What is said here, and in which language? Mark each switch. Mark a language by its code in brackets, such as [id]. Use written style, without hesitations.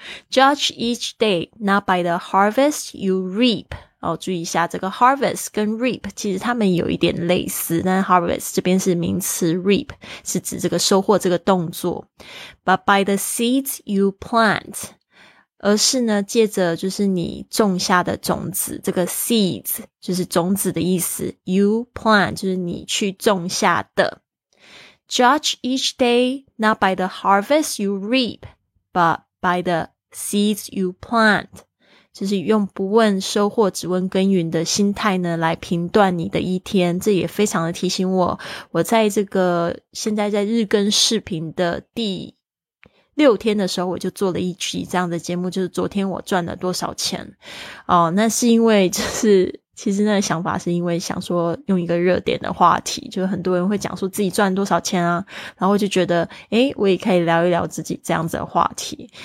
[en] Judge each day not by the harvest you reap [zh] 哦，注意一下这个 harvest 跟 reap 其实它们有一点类似，但 harvest 这边是名词， reap 是指这个收获这个动作， [en] but by the seeds you plant， [zh] 而是呢借着就是你种下的种子，这个 seeds 就是种子的意思， you plant 就是你去种下的。 [en] Judge each day not by the harvest you reap but by the seeds you plant， [zh] 就是用不问收获只问耕耘的心态呢来评断你的一天。这也非常的提醒我，我在这个现在在日更视频的第六天的时候，我就做了一期这样的节目，就是昨天我赚了多少钱哦。那是因为就是其实那个想法是因为想说用一个热点的话题，就很多人会讲说自己赚多少钱啊，然后就觉得诶，我也可以聊一聊自己这样子的话题。